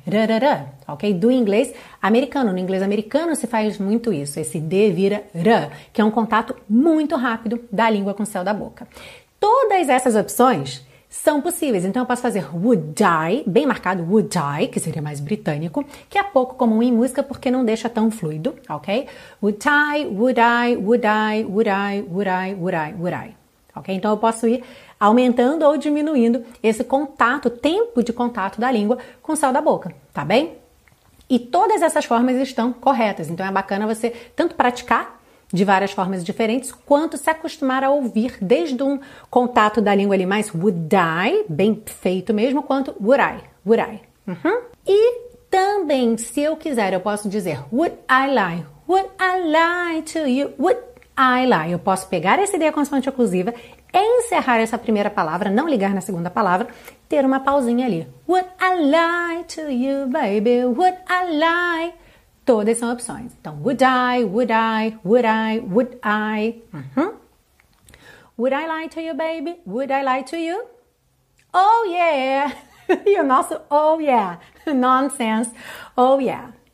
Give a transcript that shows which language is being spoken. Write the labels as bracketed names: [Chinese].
[Portuguese] Rarara, ok? Do inglês americano. No inglês americano se faz muito isso. Esse D vira r, que é um contato muito rápido da língua com o céu da boca. Todas essas opções são possíveis, então eu posso fazer would I, bem marcado, would I, que seria mais britânico, que é pouco comum em música porque não deixa tão fluido, ok? [English] Would I, would I, would I, would I, would I, would I, would I. Ok? [Portuguese] Então eu posso ir aumentando ou diminuindo esse contato, tempo de contato da língua com o céu da boca, tá bem? E todas essas formas estão corretas, então é bacana você tanto praticar de várias formas diferentes, quanto se acostumar a ouvir desde um contato da língua ali mais would I, bem feito mesmo, quanto would I, would I. E também, se eu quiser, eu posso dizer [English] would I lie, would I lie [Portuguese] to you, would I lie. Eu posso pegar essa ideia consoante oclusiva, encerrar essa primeira palavra, não ligar na segunda palavra, ter uma pausinha ali. [English] Would I lie to you, baby, would I lie. [Portuguese] Todas são opções. [English] Então, would I, would I, would I, would I. Would I lie to you, baby? Would I lie to you? Oh yeah! [Portuguese] E o nosso [English] oh yeah! Nonsense! Oh yeah!